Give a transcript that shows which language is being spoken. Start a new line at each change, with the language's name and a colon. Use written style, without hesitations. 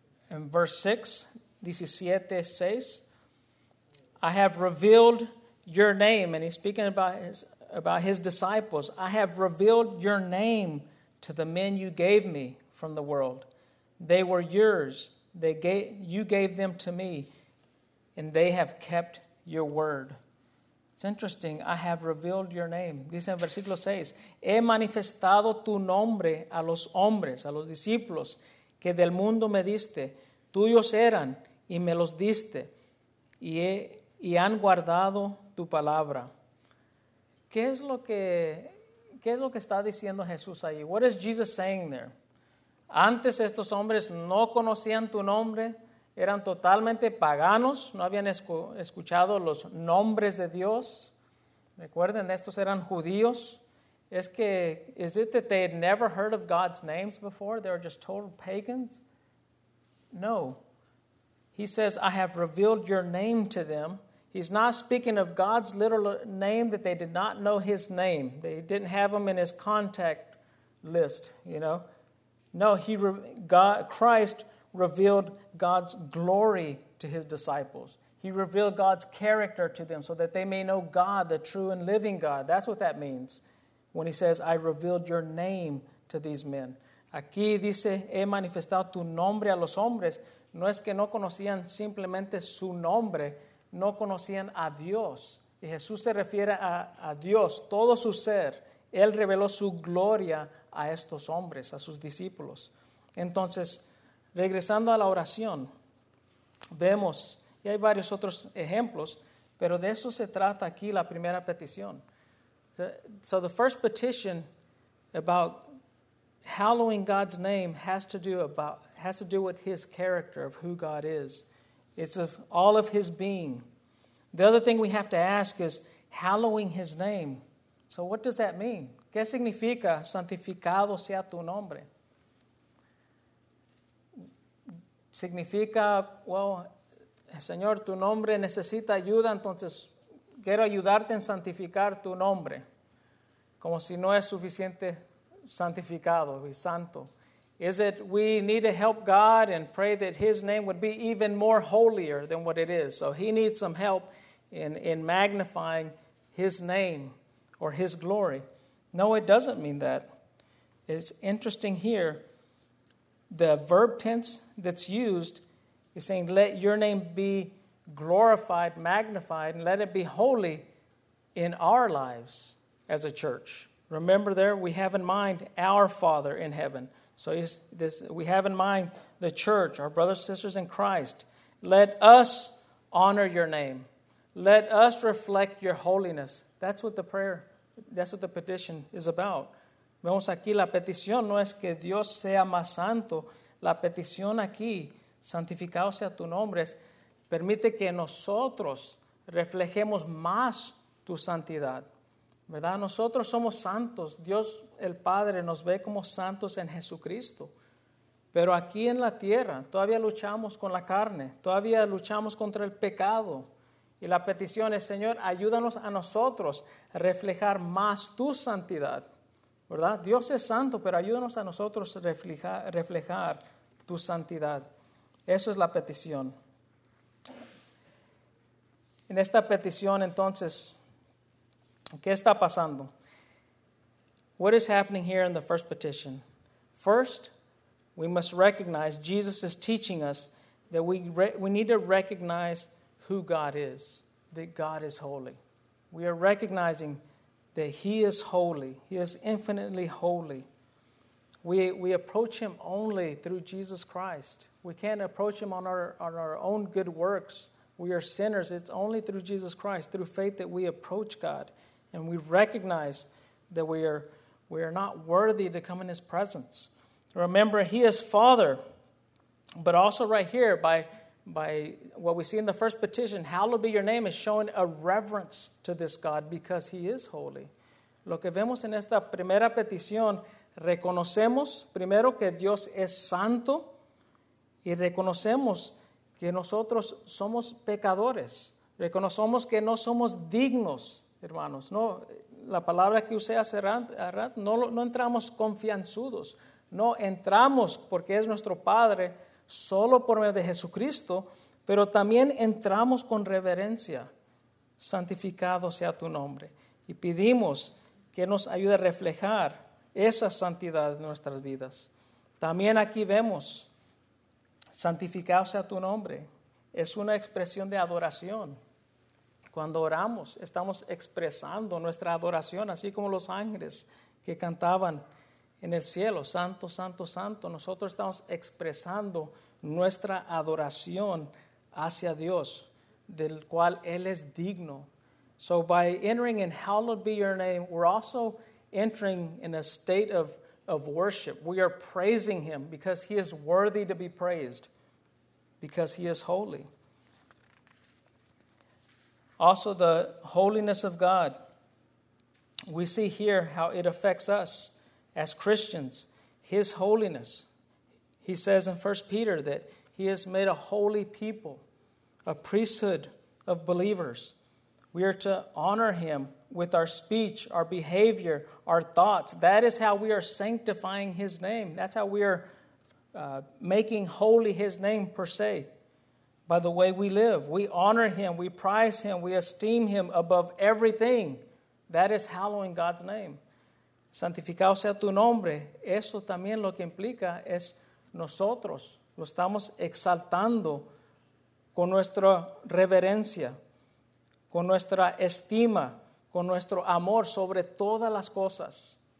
English: In verse 6, 17:6, I have revealed your name, and he's speaking about his disciples. I have revealed your name to the men you gave me from the world. They were yours. You gave them to me, and they have kept your word. It's interesting. I have revealed your name.
Spanish: Dice en versículo 6, he manifestado tu nombre a los hombres, a los discípulos que del mundo me diste. Tuyos eran, y me los diste, y han guardado tu palabra. ¿Qué es lo que está diciendo Jesús ahí?
English: What is Jesus saying there?
Spanish: Antes estos hombres no conocían tu nombre, eran totalmente paganos, no habían escuchado los nombres de Dios. Recuerden, estos eran judíos. Es que,
English: is it that they had never heard of God's names before? They were just total pagans? No. He says, I have revealed your name to them. He's not speaking of God's literal name that they did not know his name. They didn't have him in his contact list, you know. No, Christ revealed God's glory to his disciples. He revealed God's character to them so that they may know God, the true and living God. That's what that means when he says, I revealed your name to these men.
Spanish: Aquí dice, he manifestado tu nombre a los hombres. No es que no conocían simplemente su nombre, no conocían a Dios. Y Jesús se refiere a Dios, todo su ser. Él reveló su gloria a estos hombres, a sus discípulos. Entonces, regresando a la oración, vemos, y hay varios otros ejemplos, pero de eso se trata aquí la primera petición.
English: So the first petition about hallowing God's name has to do with his character, of who God is. It's of all of his being. The other thing we have to ask is hallowing his name. So what does that mean?
Spanish: ¿Qué significa santificado sea tu nombre? Significa,
English: well,
Spanish: Señor, tu nombre necesita ayuda, entonces quiero ayudarte en santificar tu nombre. Como si no es suficiente santificado y santo.
English: Is it we need to help God and pray that his name would be even more holier than what it is? So he needs some help in magnifying his name or his glory. No, it doesn't mean that. It's interesting here. The verb tense that's used is saying, let your name be glorified, magnified, and let it be holy in our lives as a church. Remember there, we have in mind our Father in heaven. So this, we have in mind the church, our brothers and sisters in Christ. Let us honor your name. Let us reflect your holiness. That's what the prayer, that's what the petition is about.
Spanish: Vemos aquí, la petición no es que Dios sea más santo. La petición aquí, santificado sea tu nombre, permite que nosotros reflejemos más tu santidad. ¿Verdad? Nosotros somos santos. Dios el Padre nos ve como santos en Jesucristo. Pero aquí en la tierra todavía luchamos con la carne. Todavía luchamos contra el pecado. Y la petición es, Señor, ayúdanos a nosotros a reflejar más tu santidad. ¿Verdad? Dios es santo, pero ayúdanos a nosotros a reflejar tu santidad. Eso es la petición. En esta petición, entonces, ¿qué está pasando?
English: What is happening here in the first petition? First, we must recognize Jesus is teaching us that we need to recognize who God is, that God is holy. We are recognizing that he is holy. He is infinitely holy. We approach him only through Jesus Christ. We can't approach him on our own good works. We are sinners. It's only through Jesus Christ, through faith, that we approach God. And we recognize that we are not worthy to come in his presence. Remember, he is Father. But also right here, by what we see in the first petition, hallowed be your name, is showing a reverence to this God because he is holy.
Spanish: Lo que vemos en esta primera petición, reconocemos primero que Dios es santo y reconocemos que nosotros somos pecadores. Reconocemos que no somos dignos. Hermanos, no, la palabra que usé hace rato, no entramos confianzudos. No entramos porque es nuestro Padre solo por medio de Jesucristo, pero también entramos con reverencia. Santificado sea tu nombre. Y pedimos que nos ayude a reflejar esa santidad en nuestras vidas. También aquí vemos, santificado sea tu nombre. Es una expresión de adoración. Cuando oramos, estamos expresando nuestra adoración, así como los ángeles que cantaban en el cielo, santo, santo, santo. Nosotros estamos expresando nuestra adoración hacia Dios, del cual Él es digno.
English: So by entering in hallowed be your name, we're also entering in a state of of worship. We are praising him because he is worthy to be praised, because he is holy. Also, the holiness of God. We see here how it affects us as Christians. His holiness. He says in 1 Peter that he has made a holy people, a priesthood of believers. We are to honor him with our speech, our behavior, our thoughts. That is how we are sanctifying his name. That's how we are making holy his name per se, by the way we live. We honor him, we prize him, we esteem him above everything. That is hallowing God's name.
Spanish: Santificado sea tu nombre. Eso también lo que implica es nosotros. Lo estamos exaltando con nuestra reverencia, con nuestra estima, con nuestro amor sobre todas las cosas.